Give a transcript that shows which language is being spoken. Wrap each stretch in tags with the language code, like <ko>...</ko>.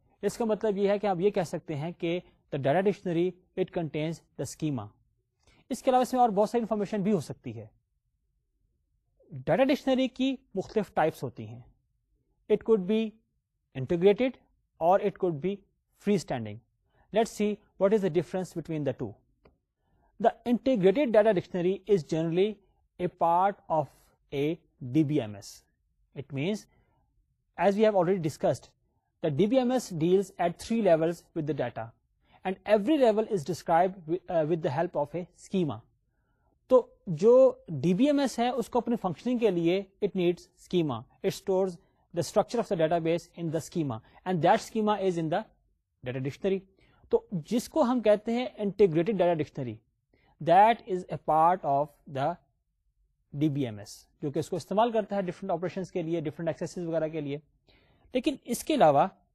<ur>اس کا مطلب یہ ہے کہ آپ یہ کہہ سکتے ہیں کہ</ur> <en>The data dictionary it contains the schema.</en> <ur>اس کے علاوہ اس میں اور بہت ساری انفارمیشن بھی ہو سکتی ہے. ڈیٹا ڈکشنری کی مختلف ٹائپس ہوتی ہیں,</ur> <en>It could be integrated اور it could be free standing. Let see what is the difference between the two. The integrated data dictionary is generally a part of a DBMS. It means, as we have already discussed, the DBMS deals at three levels with the data. And every level is described with the help of a schema.</en> <ur>تو جو D B M S ہے اس کو اپنی functioning کے لیے</ur> <en>it needs schema it stores the structure of the database in the schema and that schema is in the data dictionary</en> <ur>تو جس کو ہم کہتے ہیں integrated data dictionary</ur> <en>that is a part of the D B M S</en> <ur>جو کہ اس کو استعمال کرتا ہے ڈفرنٹ آپریشن کے لیے ڈفرنٹ ایکسیسز وغیرہ کے لیے لیکن اس کے علاوہ</ur>